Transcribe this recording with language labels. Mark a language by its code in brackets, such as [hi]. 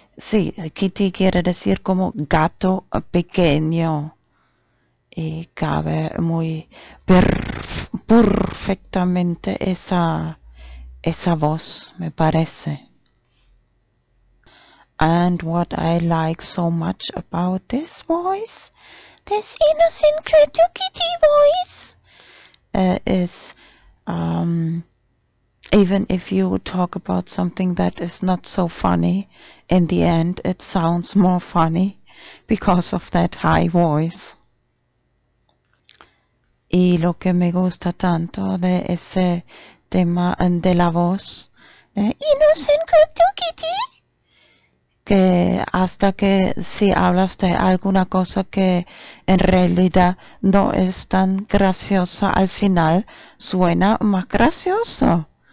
[es] Sí, Kitty quiere decir como gato pequeño. Y cabe muy perfectamente esa voz, me parece. [en] And what I like so much about this voice, this innocent crypto kitty voice, is even if you talk about something that is not so funny, in the end it sounds more funny because of that high voice. [es] Y lo que me gusta tanto de ese tema de la voz, de [en] innocent crypto kitty, [es] que hasta que si hablas de alguna cosa que en realidad no es tan graciosa, al final suena más gracioso.